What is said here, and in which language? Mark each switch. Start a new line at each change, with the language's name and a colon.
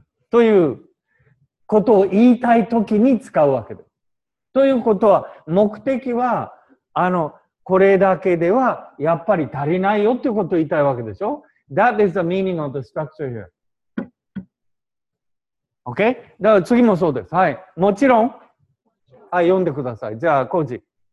Japanese: ということを言いたいときに使うわけです。ということは、目的はこれだけではやっぱり足りないよっていうことを言いたいわけでしょ。
English: That is the meaning of the structure here.
Japanese: Okay? だから次もそうです。はい。もちろん、はい、読んでください。じゃあ、コージ。